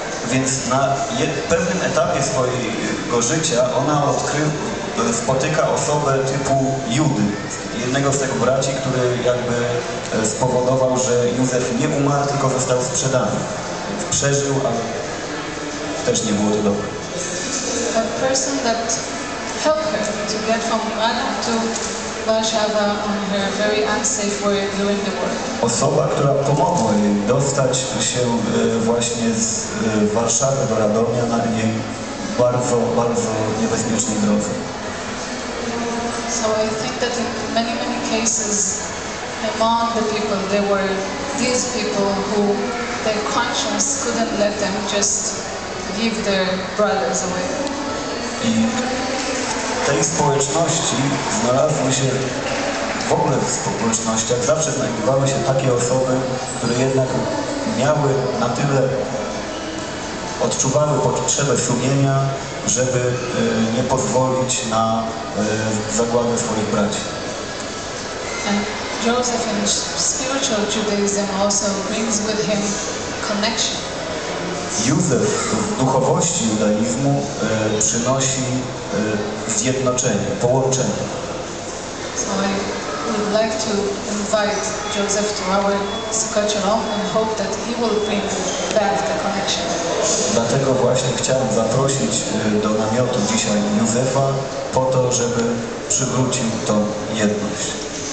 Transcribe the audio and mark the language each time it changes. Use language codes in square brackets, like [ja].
[pl] Więc na pewnym etapie swojego życia ona spotyka osobę typu Judy, jednego z tych braci, który jakby spowodował, że Józef nie umarł, tylko został sprzedany. Przeżył, ale też nie było to dobre. [en] A person that helped her to get from Anna to Warszawa on her very unsafe way during the war. [pl] Osoba, która pomogła jej dostać się właśnie z Warszawy do Radomia na jej bardzo, bardzo niebezpiecznej drodze. [en] So I think that in many, many cases among the people, there were these people who their conscience couldn't let them just give their brothers away. [pl] I w tej społeczności znalazły się, w ogóle w społecznościach zawsze znajdowały się takie osoby, które jednak miały na tyle, odczuwały potrzebę sumienia, żeby nie pozwolić na zagładę swoich braci. [en] And Joseph in spiritual Judaism also brings with him connection. [pl] Józef w duchowości judaizmu przynosi zjednoczenie, połączenie. [en] So I would like to invite Joseph to our Sukkot and hope that he will bring back the connection. [pl] Dlatego właśnie chciałem zaprosić do namiotu dzisiaj Józefa po to, żeby przywrócił tą jedność.